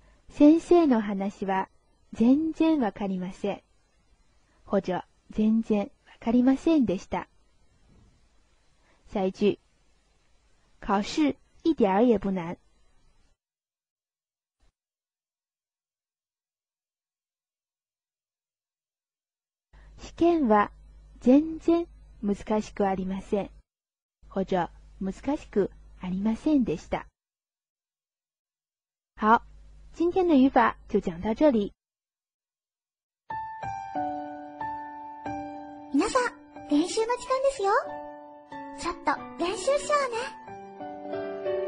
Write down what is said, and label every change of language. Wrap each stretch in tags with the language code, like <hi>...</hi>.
<ja>先生の話は、全然わかりません。</ja> <zh>或者、</zh> <ja>全然わかりませんでした。</ja> <zh>下一句、考试一点儿也不难。</zh> <ja>試験は全然難しくありません。</ja> <zh>或者</zh> <ja>難しくありませんでした。</ja> <zh>好、今天的语法就讲到这里。</zh> <ja>皆さん、練習の時間ですよ。ちょっと練習しようね。</ja>